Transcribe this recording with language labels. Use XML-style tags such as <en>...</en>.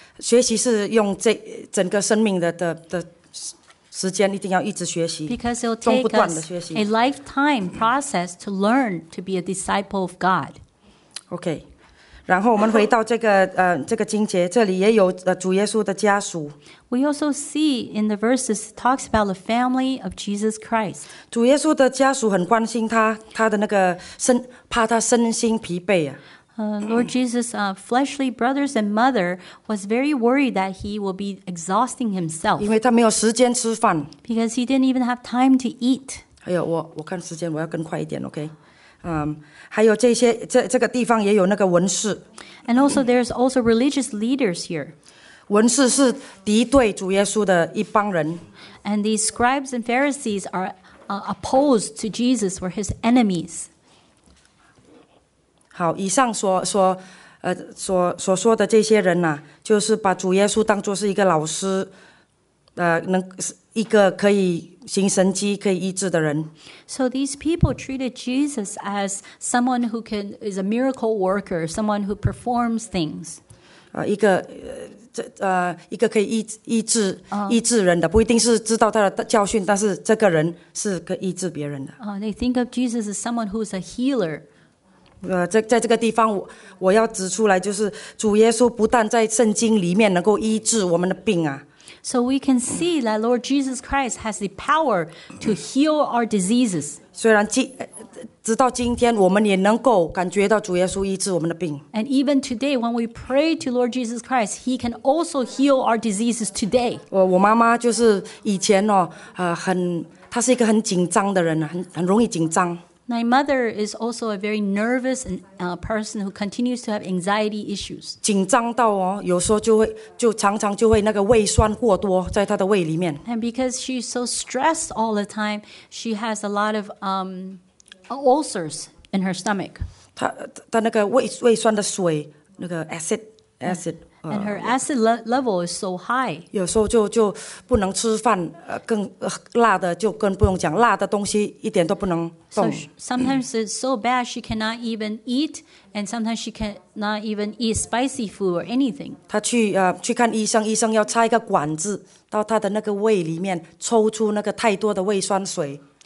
<zh>学习是用这整个生命的时间，一定要一直学习。</zh> <en>Because it'll take us a lifetime process to learn to be a disciple of God. Okay.</en> <zh>然后我们回到这个经节，这里也有主耶稣的家属。</zh> <en>We also see in the verses talks about the family of Jesus Christ.</en> <zh>主耶稣的家属很关心他，他的那个身，怕他身心疲惫啊。</zh> <en>Lord Jesus' fleshly brothers and mother was very worried that he will be exhausting himself.</en> <zh>因为他没有时间吃饭。</zh> <en>Because he didn't even have time to eat.</en> <zh>还有我看时间，我要更快一点 ，OK？还有这些这个地方也有那个文士。</zh> <en>And also, there's also religious leaders here.</en> <zh>文士是敌对主耶稣的一帮人。</zh> <en>And these scribes and Pharisees are opposed to Jesus, were his enemies.</en> <zh>好，以上所说的这些人呐，就是把主耶稣当作是一个老师，能一个可以行神迹、可以医治的人。</zh> <en>So these people treated Jesus as someone who is a miracle worker, someone who performs things.</en> <zh>一个可以医治人的，不一定是知道他的教训，但是这个人是可以医治别人的。</zh> <en>They think of Jesus as someone who is a healer.</en> <zh>在这个地方我要指出来就是主耶稣不但在圣经里面能够医治我们的病啊。</zh> <en>So we can see that Lord Jesus Christ has the power to heal our diseases.</en> <zh>虽然直到今天我们也能够感觉到主耶稣医治我们的病。</zh> <en>And even today when we pray to Lord Jesus Christ, he can also heal our diseases today.</en> <zh>我妈妈就是以前哦她是一个很紧张的人很容易紧张。</zh> <en>My mother is also a very nervous person who continues to have anxiety issues.</en> <zh>紧张到哦，有时候就常常就会那个胃酸过多在她的胃里面。</zh> <en>And because she's so stressed all the time, she has a lot of ulcers in her stomach.</en> <zh>她那个胃酸的水那个 acid.</zh> <en>And her acid level is so high.</en> <zh>有时候就不能吃饭，更辣的就更不用讲，辣的东西一点都不能动。</zh> <en>So sometimes it's so bad she cannot even eat, and sometimes she cannot even eat spicy food or anything.</en> <zh>她去看医生，医生要插一个管子到她的那个胃里面，抽出那个太多的胃酸水。</zh>